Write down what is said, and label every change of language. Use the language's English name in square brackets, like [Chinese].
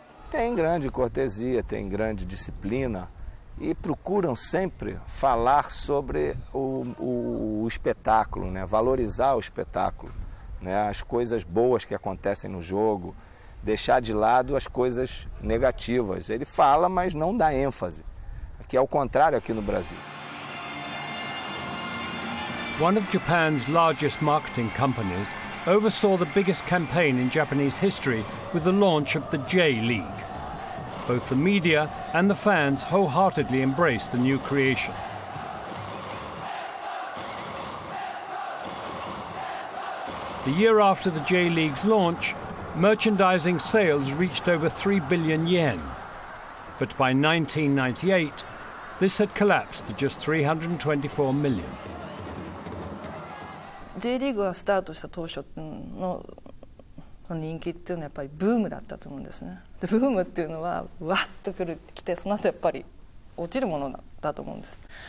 [Portuguese] Tem grande cortesia, tem grande disciplina e procuram sempre falar sobre o espetáculo, né? Valorizar o espetáculo, né? As coisas boas que acontecem no jogo, deixar de lado as coisas negativas. Ele fala, mas não dá ênfase, que é o contrário aqui no Brasil. [English] One of Japan's largest marketing companies oversaw the biggest campaign in Japanese history with the launch of the J-League. Both the media and the fans wholeheartedly embraced the new creation. The year after the J-League's launch, merchandising sales reached over 3 billion yen. But by 1998, this had collapsed to just 324 million. [Japanese] J リーグがスタートした当初の人気っていうのはやっぱりブームだったと思うんですね。で、ブームっていうのはわっと来る、来てその後やっぱり落ちるものだと思うんです。